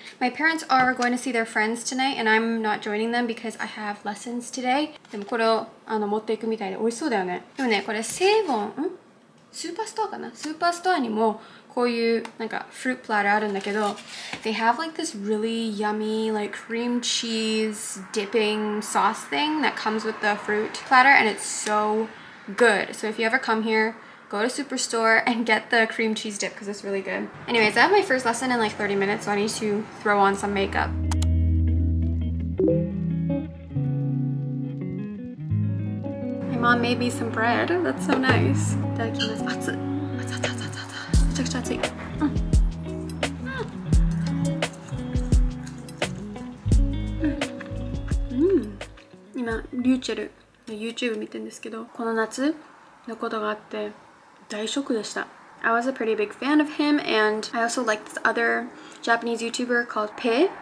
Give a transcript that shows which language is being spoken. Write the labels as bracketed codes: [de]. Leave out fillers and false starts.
[en] My parents are going to see their friends tonight, and I'm not joining them because I have lessons today. [ja] でもこれをあの持っていくみたいで美味しそうだよね。でもね、これセイボン、ん？スーパーストアかな？スーパーストアにもこういうなんか [en] fruit platter [ja] あるんだけど、 [en] they have like this really yummy like cream cheese dipping sauce thing that comes with the fruit platter, and it's so good. So if you ever come here. Go to Superstore and get the cream cheese dip because it's really good. Anyways, I have my first lesson in like 30 minutes, so I need to throw on some makeup. My mom made me some bread. That's so nice. [ja] いただきます。熱っ。熱っ熱っ熱っ熱っ。めちゃくちゃ熱い。今、リューチェルの YouTube 見てんですけど、この夏のことがあって、大ショックでした。 [en] I was a pretty big fan of him, and I also liked this other Japanese YouTuber called Pei.